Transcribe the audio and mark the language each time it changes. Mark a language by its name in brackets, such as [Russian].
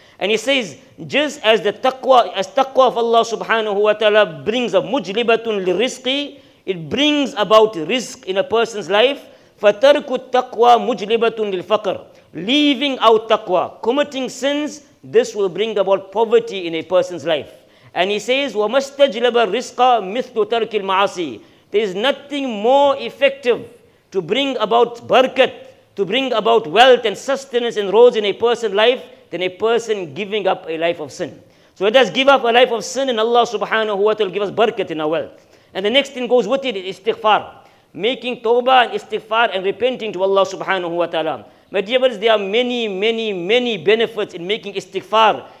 [English] And he says, just as the taqwa, as taqwa of Allah subhanahu wa ta'ala brings a [Arabic] mujlibatun lirizqi, [English] it brings about rizq in a person's life. [Arabic] Fatarku taqwa mujlibatun lilfaqr. [English] Leaving out taqwa, committing sins, this will bring about poverty in a person's life. And he says, [Arabic] وَمَسْتَجْلَبَ الرِّزْقَ مِثْلُ تَرْكِ الْمَعَاسِ. [English] There is nothing more effective to bring about barakat, to bring about wealth and sustenance and rose in a person's life than a person giving up a life of sin. So let us give up a life of sin and Allah subhanahu wa ta'ala will give us barakat in our wealth. And the next thing goes with it is istighfar. Making tawbah and istighfar and repenting to Allah subhanahu wa ta'ala. My dear brothers, there are many, many, many benefits in making istighfar